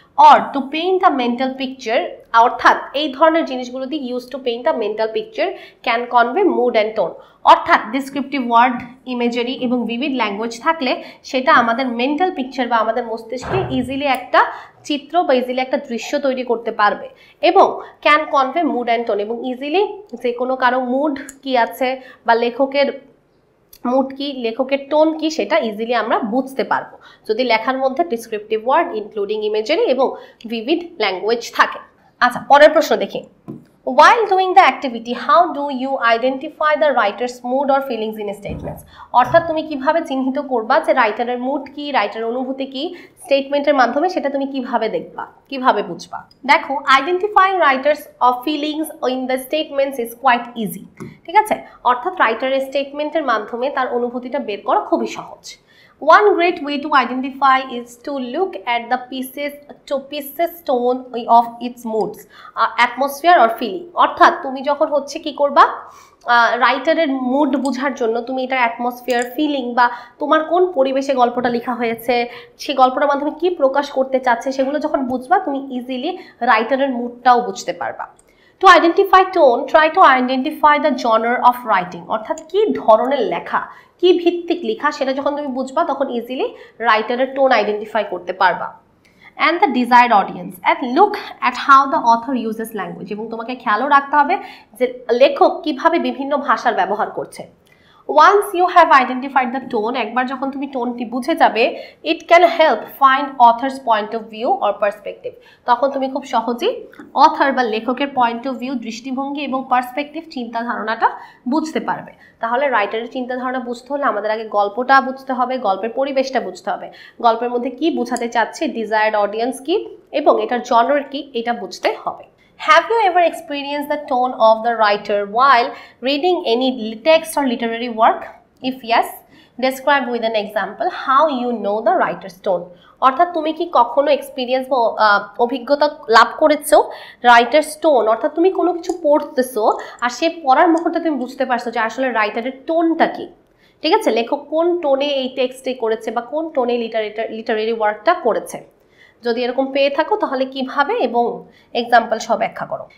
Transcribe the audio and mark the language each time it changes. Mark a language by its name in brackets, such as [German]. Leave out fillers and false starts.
[English] or to paint the mental picture, [Bangla] অর্থাৎ এই ধরনের জিনিসগুলো দিয়ে [English] use to paint the mental picture can convey mood and tone, [Bangla] অর্থাৎ ডিসক্রিপটিভ ওয়ার্ড ইমেজারি এবং ভিভিড ল্যাঙ্গুয়েজ থাকলে সেটা আমাদের মেন্টাল পিকচার বা আমাদের মস্তিষ্কে ইজিলি একটা চিত্র বা ইজিলি একটা দৃশ্য তৈরি করতে পারবে এবং [English] can convey mood and tone, [Bangla] এবং ইজিলি যে কোনো কারো মুড কী আছে বা লেখকের মুড কী, লেখকের টোন কী, সেটা ইজিলি আমরা বুঝতে পারবো যদি লেখার মধ্যে ডিসক্রিপটিভ ওয়ার্ড ইনক্লুডিং ইমেজারি এবং ভিভিড ল্যাঙ্গুয়েজ থাকে। আচ্ছা পরের প্রশ্ন দেখি, [English] While doing the activity, how do you identify the writer's mood or feelings in statements? [Bangla] অর্থাৎ তুমি কিভাবে চিহ্নিত করবা যে রাইটারের মুড কি, রাইটারের অনুভূতি কি স্টেটমেন্টের মাধ্যমে সেটা তুমি কিভাবে দেখবা, কিভাবে বুঝবা? দেখো, [English] identifying writers of feelings in the statements is quite easy, [Bangla] ঠিক আছে? অর্থাৎ রাইটারের স্টেটমেন্টের মাধ্যমে তার অনুভূতিটা বের করা খুবই সহজ। [English] One great way to identify is to look at the pieces to pieces tone of its moods, atmosphere or feeling. [Bangla] অর্থাৎ তুমি যখন হচ্ছে কি করবা, রাইটারের মুড বোঝার জন্য তুমি এটা অ্যাটমসফিয়ার, ফিলিং বা তোমার কোন পরিবেশে গল্পটা লেখা হয়েছে, সে গল্পটার মাধ্যমে কি প্রকাশ করতে চাচ্ছে সেগুলো যখন বুঝবা, তুমি ইজিলি রাইটারের মুডটাও বুঝতে পারবা। [English] To identify tone, try to identify the genre of writing. [Bangla] অর্থাৎ কি ধরনের লেখা, কি ভিত্তিক লেখা সেটা যখন তুমি বুঝবা, তখন ইজিলি রাইটারের টোন আইডেন্টিফাই করতে পারবা। [English] And the desired audience, and look at how the author uses language. [Bangla] এবং তোমাকে খেয়ালও রাখতে হবে যে লেখক কিভাবে বিভিন্ন ভাষার ব্যবহার করছে। [English] Once you have identified the tone, [Bangla] একবার যখন তুমি টোনটি বুঝে যাবে, [English] it can help find author's point of view or perspective. [Bangla] তখন তুমি খুব সহজেই অথর বা লেখকের পয়েন্ট অফ ভিউ, দৃষ্টিভঙ্গি এবং পার্সপেক্টিভ, চিন্তা ধারণাটা বুঝতে পারবে। তাহলে রাইটারের চিন্তা ধারণা বুঝতে হলে আমাদের আগে গল্পটা বুঝতে হবে, গল্পের পরিবেশটা বুঝতে হবে, গল্পের মধ্যে কি বোঝাতে চাচ্ছে, ডিজায়ার্ড অডিয়েন্স কি এবং এটার জনর কি, এটা বুঝতে হবে। [English] Have you ever experienced the tone of the writer while reading any text or literary work? If yes, describe with an example how you know the writer's tone. [Bangla] অর্থাৎ তুমি কি কখনো এক্সপিরিয়েন্স বা অভিজ্ঞতা লাভ করেছো রাইটার্স টোন, অর্থাৎ তুমি কোনো কিছু পড়তেছো আর সে পড়ার মুহূর্তে তুমি বুঝতে পারছো যে আসলে রাইটারের টোনটা কি, ঠিক আছে? লেখক কোন টোনে এই টেক্সটে করেছে বা কোন টোনে লিটারেরি ওয়ার্কটা করেছে, যদি এরকম পেয়ে থাকো তাহলে কিভাবে এবং এক্সাম্পল সব ব্যাখ্যা করো।